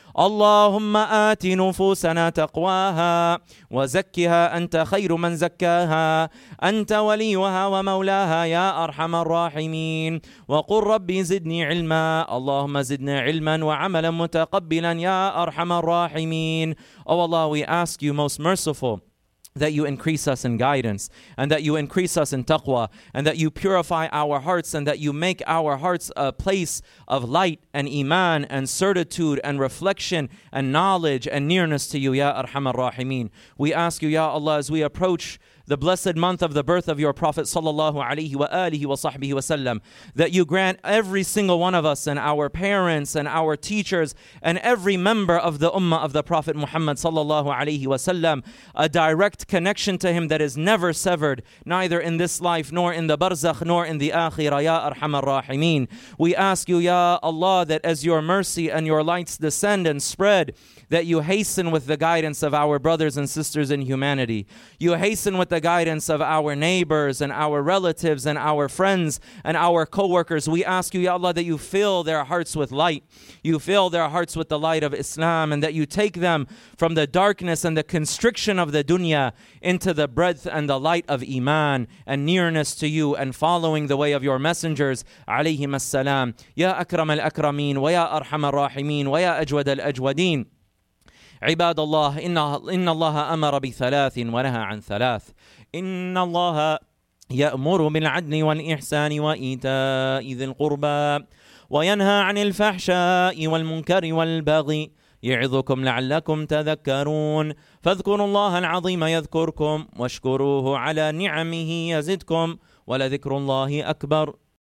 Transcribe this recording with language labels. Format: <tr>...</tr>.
<ar>اللهم آت نفوسنا تقواها وزكها أنت خير من زكاها أنت وليها ومولاها يا أرحم الراحمين وقل ربي زدني علما اللهم زدنا علما وعملا متقبلا يا أرحم الراحمين</ar> <en>Oh Allah, we ask you most merciful that you increase us in guidance and that you increase us in taqwa and that you purify our hearts and that you make our hearts a place of light and iman and certitude and reflection and knowledge and nearness to you, Ya Arham al-Rahimeen. We ask you, Ya Allah, as we approach the blessed month of the birth of your Prophet sallallahu alayhi wa alihi wa sahbihi wa sallam, that you grant every single one of us and our parents and our teachers and every member of the ummah of the Prophet Muhammad sallallahu alayhi wa sallam a direct connection to him that is never severed, neither in this life nor in the barzakh nor in the akhirah, ya arhamar rahimin. We ask you, ya Allah, that as your mercy and your lights descend and spread, that you hasten with the guidance of our brothers and sisters in humanity. You hasten with the guidance of our neighbors and our relatives and our friends and our co-workers. We ask you, Ya Allah, that you fill their hearts with light. You fill their hearts with the light of Islam and that you take them from the darkness and the constriction of the dunya into the breadth and the light of iman and nearness to you and following the way of your messengers, alayhim as-salam.</en> <ar>Ya akram al-akramin wa ya arham al-rahimin wa ya ajwad al-ajwadin. عباد الله إن الله أمر بثلاث ونهى عن ثلاث إن الله يأمر بالعدل والإحسان وإيتاء ذي القربى وينهى عن الفحشاء والمنكر والبغي يعظكم لعلكم تذكرون فاذكروا الله العظيم يذكركم واشكروه على نعمه يزدكم ولذكر الله أكبر</ar>